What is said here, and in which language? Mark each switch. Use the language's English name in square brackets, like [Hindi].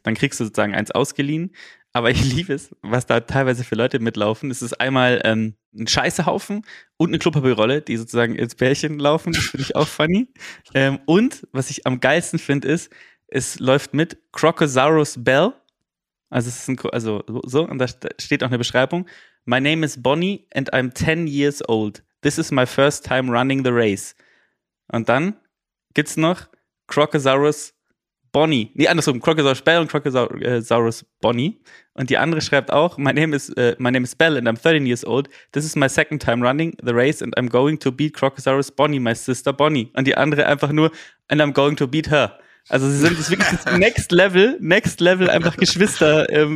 [German] Dann kriegst du sozusagen eins ausgeliehen. Aber ich liebe es, was da teilweise für Leute mitlaufen. Es ist einmal ein Scheißehaufen und eine Klopapierrolle, die sozusagen ins Pärchen laufen. Das finde ich auch funny. Und was ich am geilsten finde, ist, es läuft mit Crocosaurus Bell. Und da steht auch eine Beschreibung. [English] My name is Bonnie and I'm 10 years old. This is my first time running the race. [German] Und dann gibt's noch Crocosaurus Bonnie. Nee, andersrum. Crocosaurus Bell und Crocosaurus Bonnie. Und die andere schreibt auch, [English] my name is Bell and I'm 13 years old. This is my second time running the race and I'm going to beat Crocosaurus Bonnie, my sister Bonnie. [German] Und die andere einfach nur, [English] and I'm going to beat her. [German] Also sie sind das wirklich next level einfach Geschwister.